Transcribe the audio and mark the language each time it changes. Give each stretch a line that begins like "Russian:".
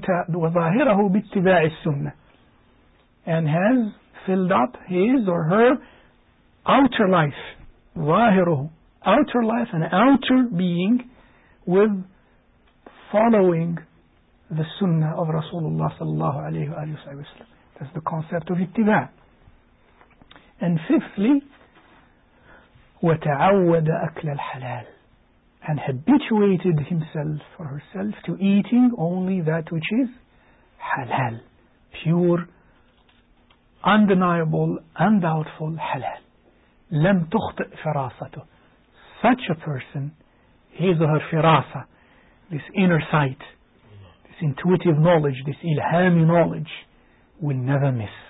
Arabic: وَظَاهِرَهُ بِاتِّبَاعِ السُّنَّةِ,
English: and has filled up his or her outer life, ظَاهِرُهُ, outer life and outer being, with following the sunnah of Rasulullah sallallahu alayhi wa sallam. That's the concept of ittiba. And fifthly,
Arabic: وَتَعَوَّدَ أَكْلَ الْحَلَالِ,
English: and habituated himself or herself to eating only that which is halal, pure, undeniable, undoubtful halal.
Arabic: لَمْ تُخْطِئْ فِرَاسَتُ.
English: Such a person, his or her firasa, this inner sight, this intuitive knowledge, this ilhami knowledge, will never miss.